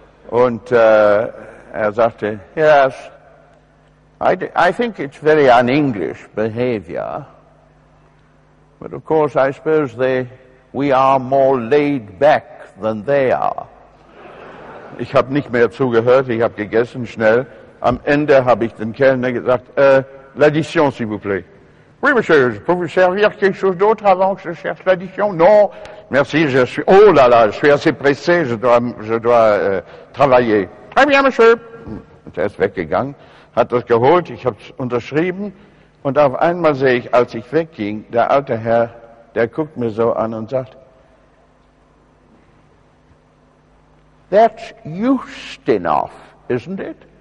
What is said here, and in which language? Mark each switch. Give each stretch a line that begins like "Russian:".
German: Und er sagte,
English: yes, I think it's very un-English behavior. But of course, I suppose we are more laid back than they are.
German: Ich habe nicht mehr zugehört, ich habe gegessen schnell. Am Ende habe ich den Kellner gesagt,
French: l'addition, s'il vous plaît. Oui, monsieur, je peux vous servir quelque chose d'autre avant que je cherche l'addition? Non, merci, je suis... Oh là là, je suis assez pressé, je dois travailler. Très bien, monsieur.
German: Und er ist weggegangen, hat das geholt, ich habe es unterschrieben. Und auf einmal sehe ich, als ich wegging, der alte Herr, der guckt mir so an und sagt,
English: that's Ustinov, isn't it?